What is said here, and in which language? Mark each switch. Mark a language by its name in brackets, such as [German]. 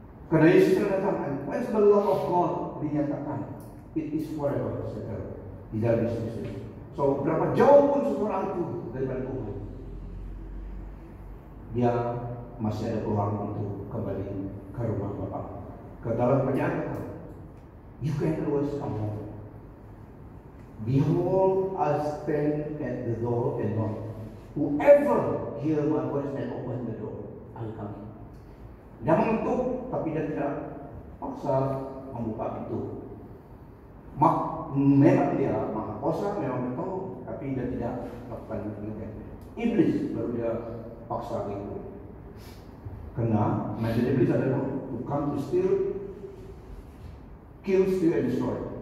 [Indonesian] Karena Yesus telah datang, [English] and when the love of God [Indonesian] dinyatakan, [English] it is forever settled. [Indonesian] Di dalam Yesus. So berapa jauh pun seorang itu daripada Tuhan, dia masih ada peluang untuk kembali. kembali ke rumah Bapak, ke dalam penjara. [English] You can always come home. Behold, I stand at the door and knock. Whoever hear my voice and open the door, I'll come in. [Indonesian] Dia mengetuk, tapi dia tidak paksa membuka pintu. Memang dia maha kuasa, memang dia tahu, tapi dia tidak lakukan demikian. Iblis baru dia paksa itu. Karena menjadi iblis adalah [English] to come to steal, kill, steal and destroy.